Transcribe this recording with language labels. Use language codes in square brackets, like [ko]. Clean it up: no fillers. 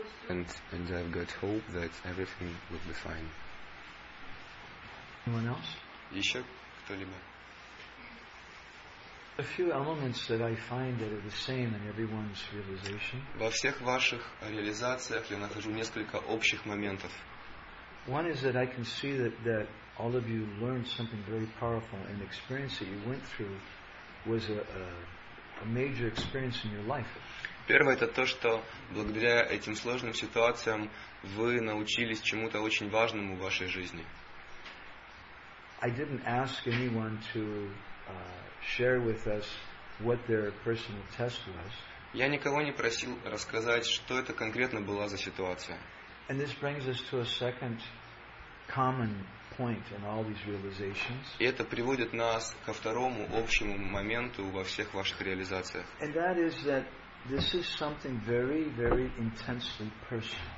[en] And I've got hope that everything will be fine. Anyone else? [ru] Еще кто-либо? [en] A few elements that I find that are the same in everyone's realization. [ru] Во всех ваших реализациях я нахожу несколько общих моментов. [en] One is that I can see that all of you learned something very powerful, and the experience that you went through was a major experience in your life. [ru] Первое – это то, что благодаря этим сложным ситуациям вы научились чему-то очень важному в вашей жизни. [en] I didn't ask anyone to share with us what their personal test was. [ru] Я никого не просил рассказать, что это конкретно была за ситуация. [en] And this brings us to a second common point in all these realizations. [ru] И это приводит нас ко второму общему моменту во всех ваших реализациях. [en] And that is that this is something very, very intensely personal.